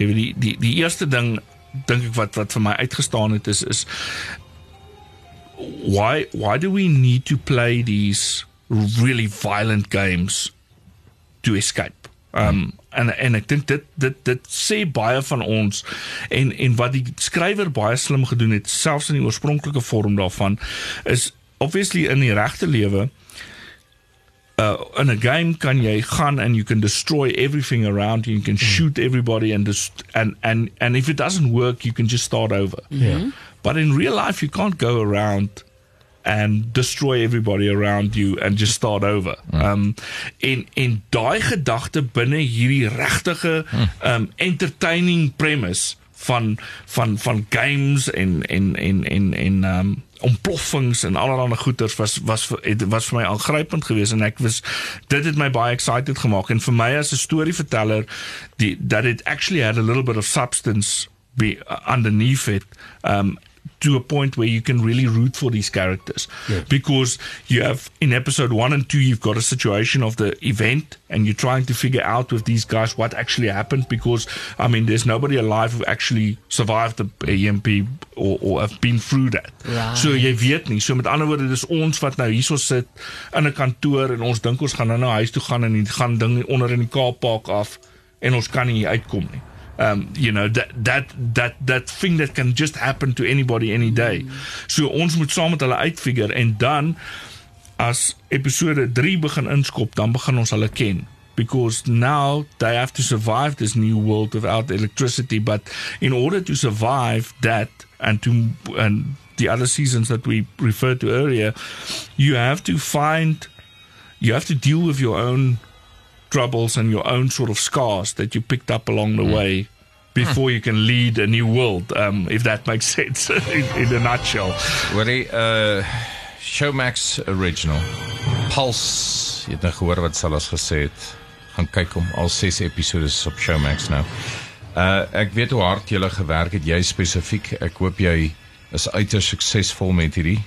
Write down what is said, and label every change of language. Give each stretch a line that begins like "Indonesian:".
Afrikaans: Jy weet, die eerste ding, dink ek, wat vir my uitgestaan het, is
English: why do we need to play these really violent games to escape?
Afrikaans: En ek dink dit sê baie van ons, en wat die skrywer baie slim gedoen het, selfs in die oorspronklike vorm daarvan, is obviously in die regte lewe,
English: In a game,
Afrikaans: kan jy gaan
English: and you can destroy everything around you. You can shoot everybody and if it doesn't work, you can just start over. Yeah. But in real life, you can't go around and destroy everybody around you and just start over.
Afrikaans: In die gedagte binne hierdie regtige entertaining premise van games en ontploffings en allerlei goeders was vir my aangrypend geweest en ek was dit het my baie excited gemaak en vir my as 'n storyverteller
English: that it actually had a little bit of substance be underneath it to a point where you can really root for these characters. Yeah. Because you have, in episode 1 and 2, you've got a situation of the event, and you're trying to figure out with these guys what actually happened, because, I mean, there's nobody alive who actually survived the EMP or have been through that. Right.
Afrikaans: So jy weet nie. So met ander woorde, dis ons wat nou hierso sit in 'n kantoor, en ons dink ons gaan nou huis toe gaan, en gaan ding onder in die Kaappark af, en ons kan nie uitkom nie.
English: You know, that thing that can just happen to anybody any day.
Afrikaans: So ons moet saam met hulle uitfigure, en dan as episode 3 begin inskop, dan begin ons hulle ken,
English: because now they have to survive this new world without electricity. But in order to survive that and the other seasons that we referred to earlier, you have to deal with your own troubles and your own sort of scars that you picked up along the way before you can lead a new world, if that makes sense in a nutshell. Woody, Showmax original.
Afrikaans: Pulse, jy het nou gehoor wat Sallas gesê het. Gaan kyk om al 6 episodes op Showmax nou. Ek weet hoe hard jy gewerk het, jy spesifiek. Ek hoop jy is uiters suksesvol met hierdie.